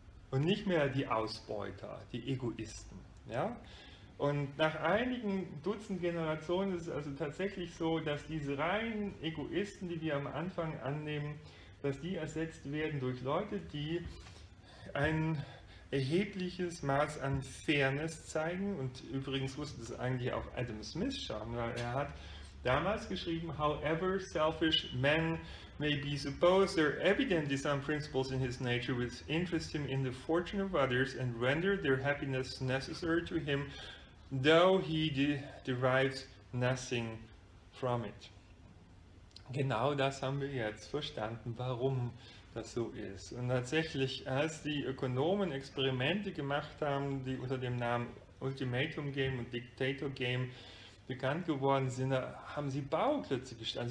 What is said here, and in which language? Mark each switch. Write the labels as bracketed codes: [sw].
[de] Und nicht mehr die Ausbeuter, die Egoisten. Ja? Und nach einigen Dutzend Generationen ist es also tatsächlich so, dass diese reinen Egoisten, die wir am Anfang annehmen, dass die ersetzt werden durch Leute, die ein erhebliches Maß an Fairness zeigen. Und übrigens wusste das eigentlich auch Adam Smith schon, weil er hat damals geschrieben, [en] however selfish man may be supposed, there are evidently some principles in his nature which interest him in the fortune of others and render their happiness necessary to him, though he derives nothing from it. [de] Genau das haben wir jetzt verstanden, warum das so ist. Und tatsächlich, als die Ökonomen Experimente gemacht haben, die unter dem Namen Ultimatum Game und Dictator Game bekannt geworden sind, haben sie Bauklötze gestanden.